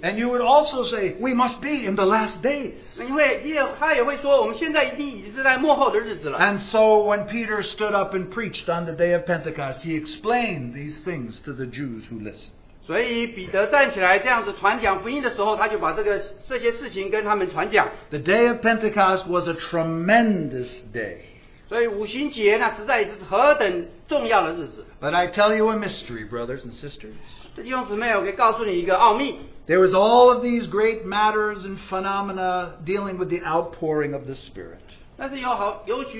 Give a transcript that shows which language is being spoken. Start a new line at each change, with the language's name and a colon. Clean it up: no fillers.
English: And you would also say, we must be in the last days.
Chinese: 因为他也会说，我们现在已经是在末后的日子了。
English: And so when Peter stood up and preached on the day of Pentecost, he explained these things to the Jews who listened.
Chinese: 所以彼得站起来这样子传讲福音的时候，他就把这些事情跟他们传讲。
English: The day of Pentecost was a tremendous day.
Chinese: 所以五旬节那实在是何等重要的日子。
English: But I tell you a mystery, brothers and sisters.
Chinese: 弟兄姊妹，我可以告诉你一个奥秘。
English: There was all of these great matters and phenomena dealing with the outpouring of the Spirit.